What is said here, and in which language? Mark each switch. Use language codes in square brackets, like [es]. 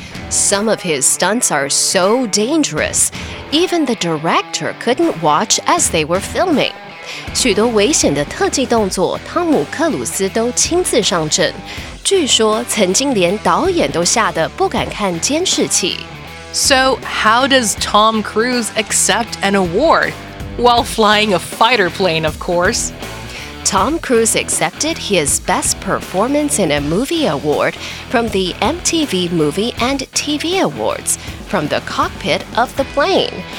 [en] Some of his stunts are so dangerous, even the director couldn't watch as they were filming. [zh] 许多危险的特技动作，汤姆·克鲁斯都亲自上阵。据说曾经连导演都吓得不敢看监视器。 [en] So how does Tom Cruise accept an award? While flying a fighter plane, of course. Tom Cruise accepted his Best Performance in a Movie Award from the MTV Movie and TV Awards from the cockpit of the plane.